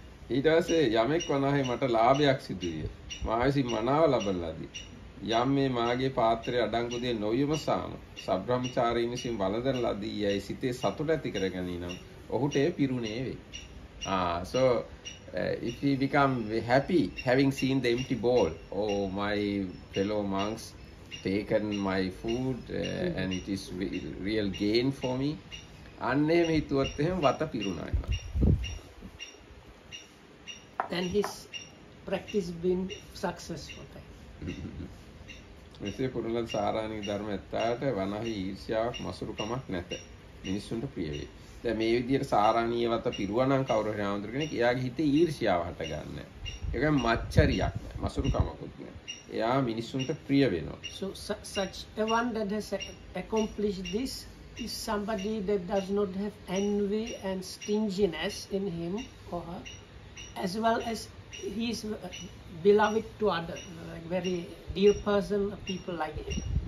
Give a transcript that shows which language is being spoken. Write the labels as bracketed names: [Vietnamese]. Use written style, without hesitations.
[Sinhala] ඊට පස්සේ යමෙක් වනාහි මට ලාභයක් සිදුවිය. මා විසින් මනාව ලබන ලදී. යම් මේ මාගේ පාත්‍රයේ අඩංගු දේ නොයම සාම සබ්‍රාහ්මචාරීන් විසින් වලදන ලදී යයි සිතේ සතුට ඇති කර ගැනීම ඔහුට ඒ පිරුණේ වේ. [English] So if he become happy having seen the empty bowl, oh my fellow monks taken my food and it is real gain for me. [Sinhala] අන්නේ මේ හිතුවත් එහෙම වත පිරුණා එනවා. [English] Then his practice been successful. [Sinhala] මෙසේ පුරුලන් සාරාණික ධර්ම ඇත්තාට වනාහි ඊර්ෂ්‍යාවක් මසුරුකමක් නැත. මිනිසුන්ට ප්‍රිය වේ. දැන් මේ විදිහට සාරාණීය වත පිරුවනම් කවුරු හරි ආමතුරු කෙනෙක් එයාගේ හිතේ ඊර්ෂ්‍යාව හට ගන්න. ඒක මච්චරියක් නෑ. මසුරුකමකුත් නෑ. එයා මිනිසුන්ට ප්‍රිය වෙනවා. [English] So such a one that has accomplished this is somebody that does not have envy and stinginess in him or her. As well as he is beloved to other, like very dear person, people like him.